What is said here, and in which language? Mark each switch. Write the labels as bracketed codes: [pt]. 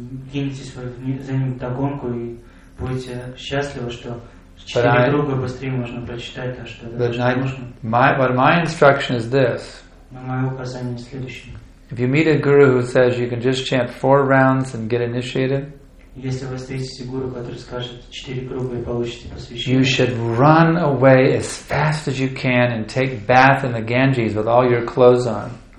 [ru] За ним догонку и будете счастливы, что четыре круга быстрее можно прочитать, то что нужно. [en] But my instruction is this. [ru] Но мое указание следующее. [en] If you meet a guru who says you can just chant 4 rounds and get initiated, [ru] если вы встретите гуру, который скажет четыре круга и получите посвящение, [en] you should run away as fast as you can and take bath in the Ganges with all your clothes on.